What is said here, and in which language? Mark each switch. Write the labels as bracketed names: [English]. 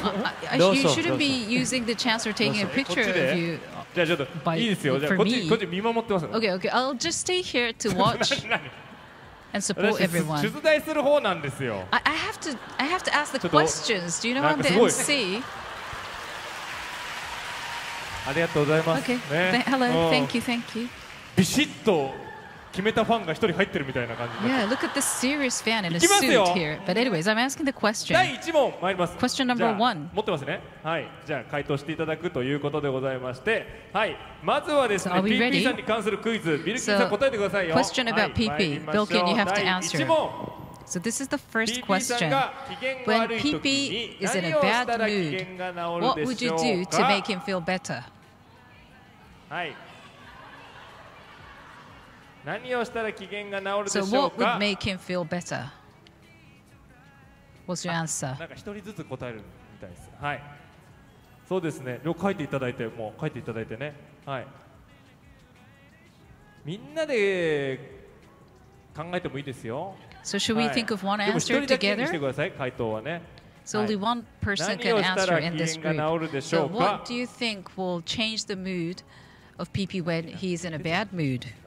[English] You know, I, you shouldn't be using the chance or taking a picture of you. [Japanese] じゃあちょっといいですよ。じゃあこっち見守ってます。 [English] Okay, okay. I'll just stay here to watch and support everyone. [Japanese] 出題する方なんですよ。 [English] I have to ask the questions. Do you know I'm the MC? [Japanese] ありがとうございます。 [English] Okay. ね、Hello. Thank you. Thank you. [Japanese] ビシッと決めたファンが一人入ってるみたいな感じ。 [English] Yeah, look at this serious fan in a suit here. But anyways, I'm asking the question. [Japanese] 第1問参ります。 [English] Question number one. [Japanese] 持ってますね。はい。じゃあ回答していただくということでございまして、はい。まずはですね、PP さんに関するクイズ。ビルキンさん答えてくださいよ。 [English] Question about PP. Bilkin, you have to answer. [Japanese] 第1問。 [English] So this is the first question. When PP is in a bad mood, what would you do to make him feel better? [Japanese] はい。何をしたら機嫌が治るでしょうか? [English] So what would make him feel better? What's your answer? [Japanese] なんか一人ずつ答えるみたいです。はい。そうですね。よく書いていただいて、もう書いていただいてね。はい。みんなで考えてもいいですよ。 [English] So should we think of one answer together? [Japanese] でも一人だけにしてください、回答はね。 [English] So only one person can answer in this group. So what do you think will change the mood of PP when he's in a bad mood?